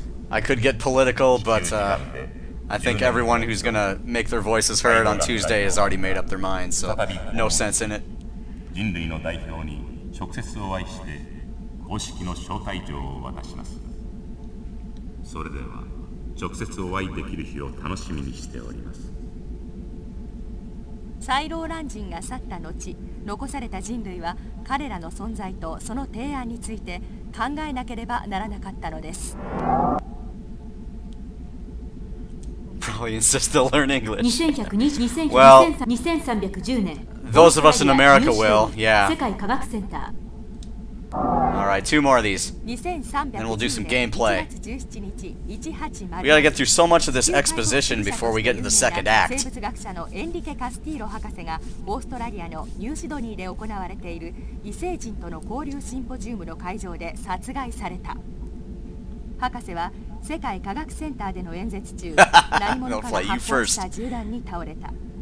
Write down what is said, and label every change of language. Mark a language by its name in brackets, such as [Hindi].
[English] I could get political, but I think everyone who's gonna make their voices heard on Tuesday has already made up their mind, so no sense in it. [Japanese] 人類の代表に直接お会いして公式の招待状を渡します。それでは直接お会いできる日を楽しみにしております。サイローラン人が去った後、残された人類は彼らの存在とその提案について考えなければならなかったのです。 [English] Probably insist to learn English. [Japanese] 2310年。 [English] Those of us in America will, yeah. [Japanese] 世界科学センター [English] 。 All right, two more of these. And we'll do some gameplay. We gotta get through so much of this exposition before we get to the second act. [Japanese] 生物学者のエンリケ・カスティーロ博士がオーストラリアのニューシドニーで行われている異星人との交流シンポジウムの会場で殺害された。博士は世界科学センターでの演説中、何者かが発砲した銃弾に倒れた。